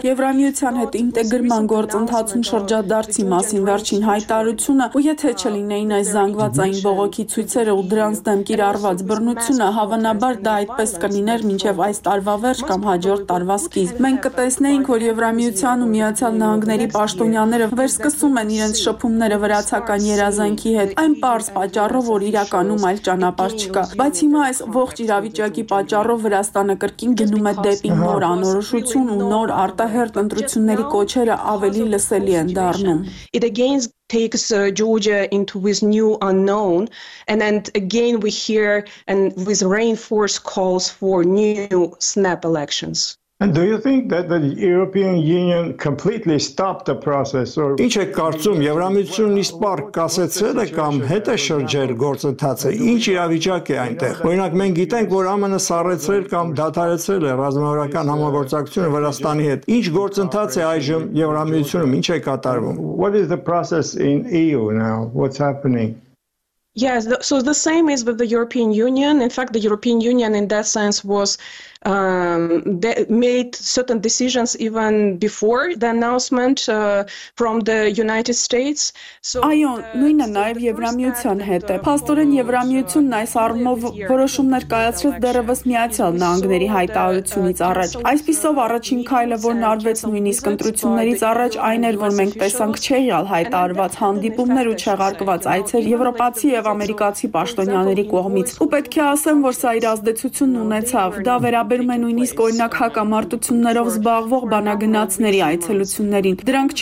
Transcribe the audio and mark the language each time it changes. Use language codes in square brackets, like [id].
[hy] Եվրամիության հետ ինտեգրման գործընթացում շրջադարձի մասին վերջին հայտարարությունը, ու եթե չլինեին այս զանգվածային բողոքի ցույցերը ու դրանց դեմ կիրառված բռնությունը, հավանաբար դա այդպես կլիներ մինչև այս տարվա վերջ կամ հաջորդ տարվա սկիզբ։ Մենք կտեսնեինք, որ Եվրամիության ու Միացյալ Նահանգների պաշտոնյաները վերսկսում են իրենց շփումները վրացական երազանքի հետ, այն պարզ պատճառով, որ իրականում այլ ճանապարհ չկա։ Բայց հիմա այս ողջ իրավիճակի պատճառով Վրաստանը կրկին գնում է դեպի նոր անորոշություն ու նոր արտահերտ ընտրությունների կոչերը ավելի լսելի են դառնում։ [en] It again takes Georgia into this new unknown, and then again we hear and with reinforced calls for new snap elections. And do you think that the European Union completely stopped the process or [hy] Ինչ է կարծում, Եվրամիությունն իսպար կասեցել է կամ հետ է շրջել գործընթացը, ինչ իրավիճակ է այնտեղ։ Օրինակ, մենք գիտենք, որ ԱՄՆ-ը սառեցրել կամ դադարեցրել է ռազմավարական համագործակցությունը Վրաստանի հետ։ Ինչ գործընթաց է այժմ Եվրամիությունում, ինչ է կատարվում։ [en] What is the process in EU now? What's happening? Yes, so the same is with the European Union. In fact, the European Union in that sense was They made certain decisions even before the announcement from the United States. [hy] Այո, նույնը նաև Եվրամիության հետ է։ Փաստորեն Եվրամիությունն այս առումով որոշումներ կայացրեց դեռևս Միացյալ Նահանգների հայտարարությունից առաջ։ Այսպիսով առաջին քայլը, որն արվեց նույնիսկ ընտրություններից առաջ, այն էր, որ մենք տեսանք չեղյալ հայտարարված հանդիպումներ ու չեղարկված այցեր եվրոպացի եւ ամերիկացի պաշտոնյաների կողմից։ Ու պետք է ասեմ, որ սա իր ազդեցությունն ունեցավ։ Դա վերաբերում է նույնիսկ օրինակ հակամարտություններով զբաղվող բանագնացների այցելություններին։ Դրանք